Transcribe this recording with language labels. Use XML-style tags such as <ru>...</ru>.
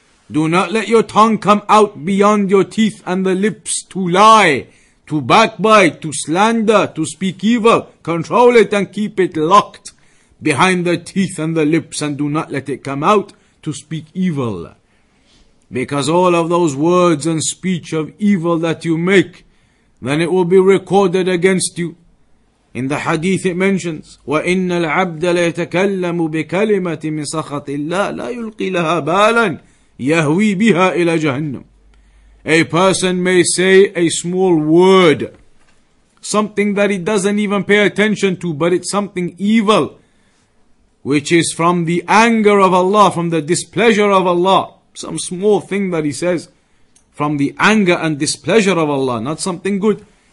<en>Do not let your tongue come out beyond your teeth and the lips to lie, to backbite, to slander, to speak evil. Control it and keep it locked behind the teeth and the lips, and do not let it come out to speak evil. Because all of those words and speech of evil that you make, then it will be recorded against you. In the hadith it mentions,</en> <ar>وَإِنَّ الْعَبْدَ لَيْتَكَلَّمُ بِكَلِمَةٍ مِنْ سَخَطِ اللَّهِ لَا يُلْقِي لَهَا بَالًا يَهْوِي بِهَا إِلَى جَهَنَّمُ.</ar> <en>A person may say a small word, something that he doesn't even pay attention to, but it's something evil, which is from the anger of Allah, from the displeasure of Allah. Some small thing that he says from the anger and displeasure of Allah, not something good.</en>